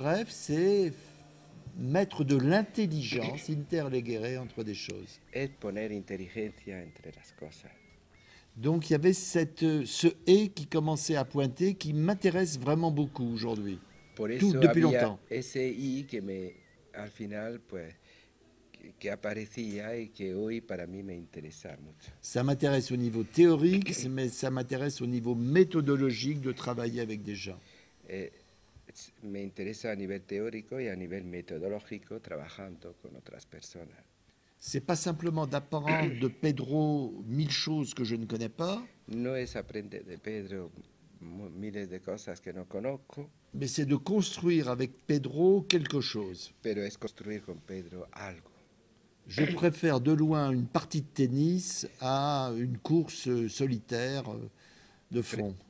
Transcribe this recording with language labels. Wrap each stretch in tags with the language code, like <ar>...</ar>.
<fr>C'est mettre de l'intelligence, interlegere, entre des choses.</fr> <es>Es poner inteligencia entre las cosas.</es> <fr>Donc il y avait ce « et » qui commençait à pointer, qui m'intéresse vraiment beaucoup aujourd'hui, depuis longtemps.</fr> <es>Por eso había ese « y » que me, al final, pues, que aparecía y que hoy para mí me interesa mucho.</es> <fr>Ça m'intéresse au niveau théorique, mais ça m'intéresse au niveau méthodologique de travailler avec des gens.</fr> <es>Me interesa a nivel teórico y a nivel metodológico trabajando con otras personas.</es> <fr>C'est pas simplement d'apprendre de Pedro mille choses que je ne connais pas.</fr> <es>No es aprender de Pedro miles de cosas que no conozco.</es> <fr>Mais c'est de construire avec Pedro quelque chose.</fr> <es>Pero es construir con Pedro algo.</es> <fr>Je préfère de loin une partie de tennis à une course solitaire de fond.</fr>